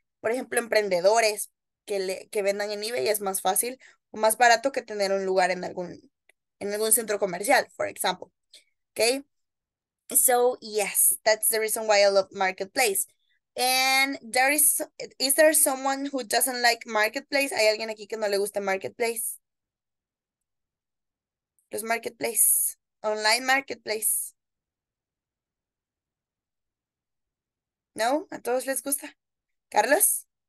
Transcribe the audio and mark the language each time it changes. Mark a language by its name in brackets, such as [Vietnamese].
[Spanish] Por ejemplo, emprendedores que vendan en eBay es más fácil o más barato que tener un lugar en algún centro comercial, [English] for example. [Spanish] Okay? [English] So, yes, that's the reason why I love marketplace. And is there someone who doesn't like marketplace? [Spanish] ¿Hay alguien aquí que no le gusta marketplace? Los marketplace, online marketplace. ¿No? ¿A todos les gusta? ¿Carlos?